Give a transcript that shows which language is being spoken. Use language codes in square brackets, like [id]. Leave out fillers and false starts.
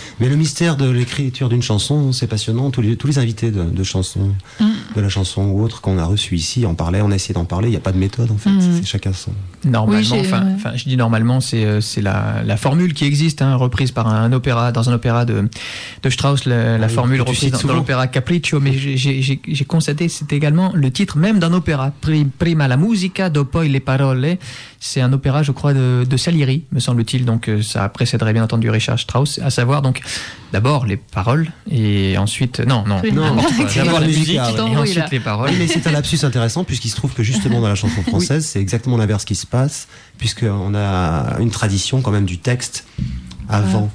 [fr] Mais le mystère de l'écriture d'une chanson, c'est passionnant. Tous les invités de chansons, de la chanson ou autre qu'on a reçu ici, en parlait, on a essayé d'en parler. Il y a pas de méthode en fait. Mmh. C'est chacun son. Normalement, enfin, oui, je dis normalement, c'est la formule qui existe, hein, reprise par un opéra dans un opéra de Strauss, la formule reprise dans l'opéra Capriccio. Mais j'ai constaté, c'est également le titre même d'un opéra. [it] Prima la musica, dopo le parole. [fr] C'est un opéra, je crois, de Salieri, me semble-t-il. Donc ça précéderait bien entendu Richard Strauss, à savoir donc d'abord les paroles et ensuite d'abord la musique et ensuite les paroles. Mais c'est un lapsus intéressant puisqu'il se trouve que justement dans la chanson française c'est exactement l'inverse qui se passe, puisqu'on a une tradition quand même du texte avant